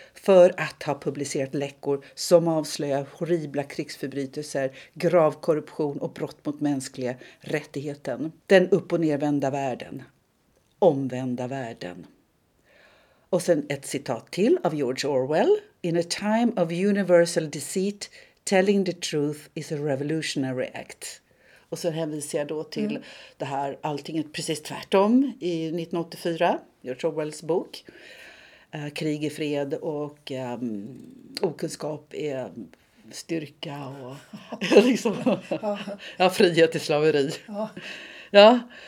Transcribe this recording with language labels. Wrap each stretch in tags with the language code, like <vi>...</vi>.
<sv>För att ha publicerat läckor som avslöjar horribla krigsförbrytelser, grav korruption och brott mot mänskliga rättigheten. Den upp- och nervända världen. Omvända världen. Och sen ett citat till av George Orwell.</sv> <en>In a time of universal deceit, telling the truth is a revolutionary act.</en> <sv>Och så hänvisar jag då till det här allting är precis tvärtom i 1984, George Orwells bok. Krig är fred och okunskap är styrka och liksom, ja, frihet är slaveri. Ja.</sv>